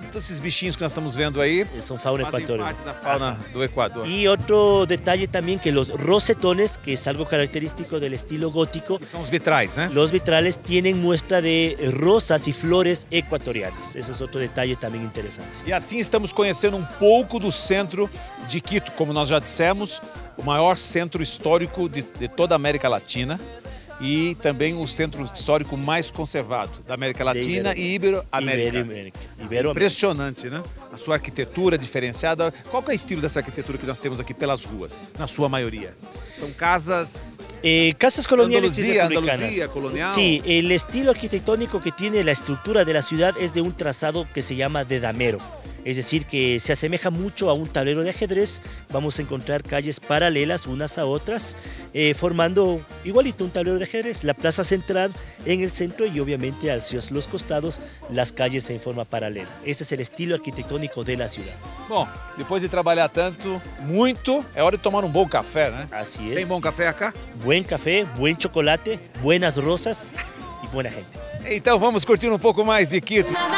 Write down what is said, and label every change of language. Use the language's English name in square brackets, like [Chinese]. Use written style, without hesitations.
[Spanish] Todos esos [Portuguese] bichinhos [Spanish] que [Portuguese] nós [Spanish] estamos viendo ahí son fauna ecuatoriana. Parte de la fauna do Ecuador. Y otro detalle también, que los rosetones, que es algo característico del estilo gótico, son los vitrales, ¿eh? Los vitrales tienen muestra de rosas y flores ecuatorianas. Ese es otro detalle también interesante. [Portuguese] Y así estamos conhecendo um pouco do centro de Quito, como nós já dissemos, o maior centro histórico de toda a América Latina e também o centro histórico mais conservado da América Latina e Ibero-América. Impressionante, né? A sua arquitetura diferenciada. Qual que é o estilo dessa arquitetura que nós temos aqui pelas ruas, na sua maioria? São casas... [Spanish] Casas coloniales republicanas. Sí, el estilo arquitectónico que tiene la estructura de la ciudad es de un trazado que se llama de damero, es decir, que se asemeja mucho a un tablero de ajedrez. Vamos a encontrar calles paralelas unas a otras, formando igualito un tablero de ajedrez, la plaza central en el centro y obviamente hacia los costados las calles en forma paralela. Ese es el estilo arquitectónico de la ciudad. [Portuguese] Bom, depois de trabalhar tanto, muito, é hora de tomar um bom café, né? [Spanish] Así es. [Portuguese] Tem bom café [Spanish] acá? Buen café, buen chocolate, buenas rosas y buena gente. [Portuguese] Então vamos curtir um pouco mais de Quito.